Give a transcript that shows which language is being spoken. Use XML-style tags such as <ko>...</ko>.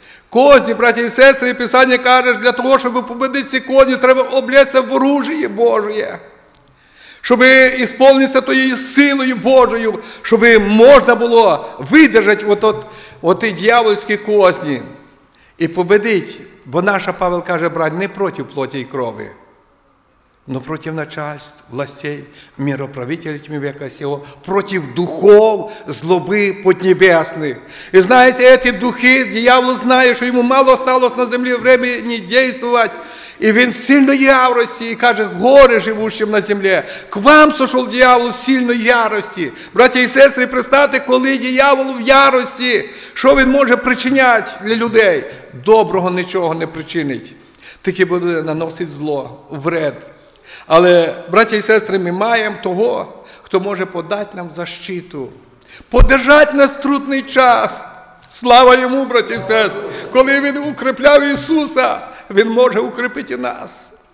<uk>Козні, браті і сестри, Писання каже, для того, щоб побідити ці козні, треба облєтися в оружие Боже, щоб ісполнитися тою силою Божою, щоб можна було видержати оті дьявольські козні і побідити. Бо наша Павел каже, брать, не проти плоті і крові,</uk> <ru>но против начальств, властей, мироправителей века сего, против духов злобы поднебесных. И знаете, эти духи, дьявол знает, что ему мало осталось на земле времени действовать, и он в сильной ярости, и каже, горе живущим на земле. К вам сошел дьявол в сильной ярости. Братья и сестры, представьте, коли дьявол в ярости, что он может причинять для людей? Доброго ничего не причинить, тільки буде наносить зло, вред.</ru> <uk>Але, браті і сестри, ми маємо того, хто може подати нам защиту, подержати нас трудний час. Слава йому, браті і сестри. Коли він укріпляв Ісуса, він може укріпити нас.</uk>